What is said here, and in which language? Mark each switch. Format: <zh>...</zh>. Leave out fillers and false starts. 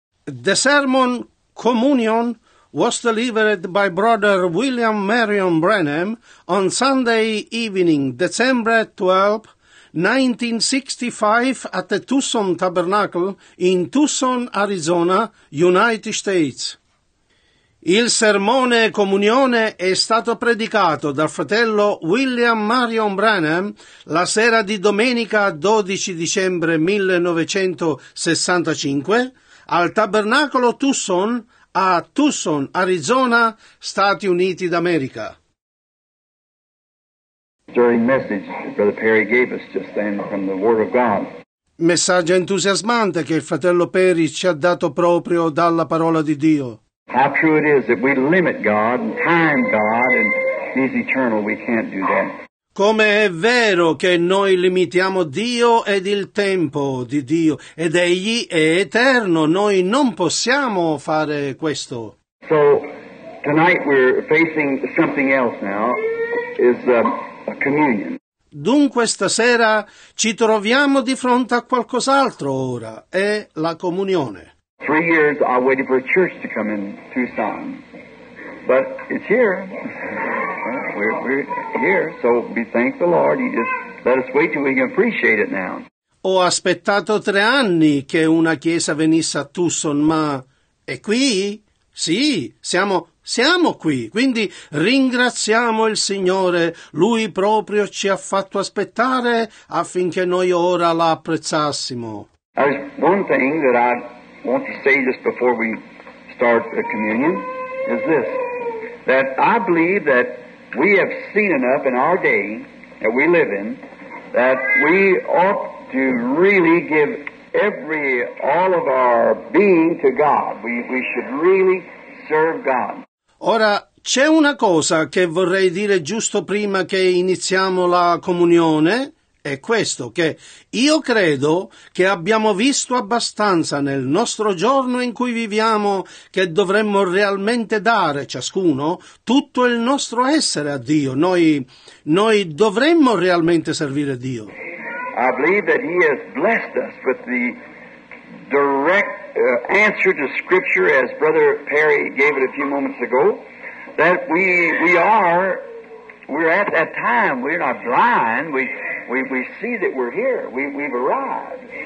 <en>The sermon, Communion, was delivered by Brother William Marion Branham on Sunday evening, December 12, 1965, at the Tucson Tabernacle in Tucson, Arizona, United States.</en> <it>Il sermone Comunione è stato predicato dal fratello William Marion Branham la sera di domenica 12 dicembre 1965 al Tabernacolo Tucson a Tucson, Arizona, Stati Uniti d'America.</it> <en>Stirring message Brother Perry gave us just then from the Word of God.</en> <it>Messaggio entusiasmante che il fratello Perry ci ha dato proprio dalla parola di Dio.</it> <en>How true it is that we limit God and time God and He's eternal, we can't do that.</en> <it>Come è vero che noi limitiamo Dio ed il tempo di Dio, ed Egli è eterno, noi non possiamo fare questo.</it> <en>So, tonight we're facing something else now, is a communion.</en> <it>Dunque stasera ci troviamo di fronte a qualcos'altro ora, è la comunione.</it> <en>3 years I waited for a church to come in Tucson, but it's here. We're here, so we thank the Lord. He just let us wait till we can appreciate it now.</en> <it>Ho aspettato 3 anni che una chiesa venisse a Tucson, ma è qui? Sì, siamo qui. Quindi ringraziamo il Signore. Lui proprio ci ha fatto aspettare affinché noi ora la apprezzassimo.</it> <en>There's one thing that I want to say just before we start the communion is this, that I believe that we have seen enough in our day that we live in that we ought to really give all of our being to God. We should really serve God.</en> <it>Ora, c'è una cosa che vorrei dire giusto prima che iniziamo la comunione. È questo, che io credo che abbiamo visto abbastanza nel nostro giorno in cui viviamo che dovremmo realmente dare ciascuno tutto il nostro essere a Dio. Noi dovremmo realmente servire Dio.</it> <en>I believe that He has blessed us with the direct answer to Scripture, as Brother Perry gave it a few moments ago, that we're at that time, we're not blind, we see that we're here, we've arrived.</en>